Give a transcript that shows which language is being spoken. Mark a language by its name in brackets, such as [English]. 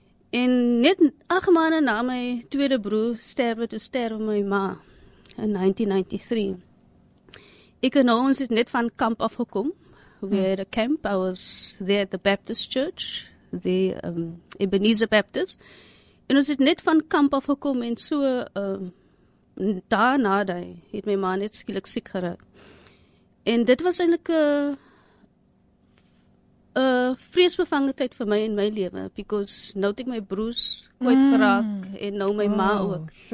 [Afrikaans] En net 8 maande na my tweede broer sterwe my ma in 1993. Ek en ons het net van kamp afgekom. [English] We had a camp. I was there at the Baptist church, the Ebenezer Baptist. [Afrikaans] En ons het net van kamp afgekom, en so daarna het my ma net skielik siek geraak. En dit was eintlik 'n vreesbevange tyd vir my in my lewe, because nou het ek my broers kwyt geraak, en nou my ma ook.